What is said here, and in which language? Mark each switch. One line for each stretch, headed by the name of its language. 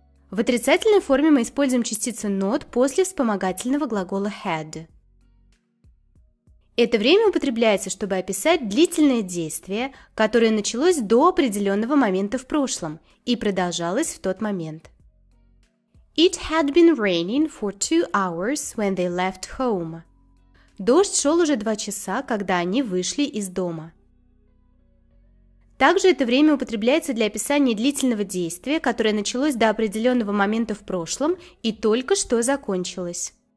Russian: В отрицательной форме мы используем частицу not после вспомогательного глагола had. Это время употребляется, чтобы описать длительное действие, которое началось до определенного момента в прошлом и продолжалось в тот момент.
English: It had been raining for 2 hours when they left home.
Russian: Дождь шел уже 2 часа, когда они вышли из дома. Также это время употребляется для описания длительного действия, которое началось до определенного момента в прошлом и только что закончилось.